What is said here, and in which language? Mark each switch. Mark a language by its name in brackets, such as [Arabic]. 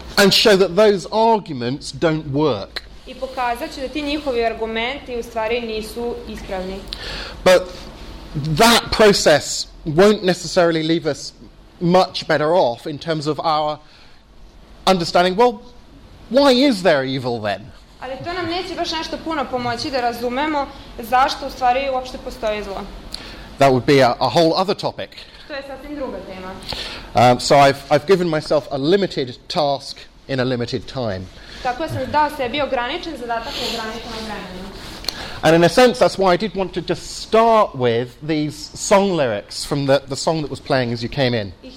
[English] And show that those arguments don't work. [Serbian] I pokazat ću da ti njihovi argumenti u stvari nisu ispravni. [English] But that process won't necessarily leave us much better off in terms of our understanding, well, why is there evil then? [Serbian] Ali to nam neće baš nešto puno pomoći da razumemo zašto u stvari uopšte postoji zlo. [English] That would be a whole other topic. [Serbian] To je sasvim druga tema. [English] So I've given myself a limited task in a limited time. [Serbian] Tako sam dao sebi ograničen zadatak u ograničenom vremenu. [English] And in a sense, that's why I did want to just start with these song lyrics from the song that was playing as you came in.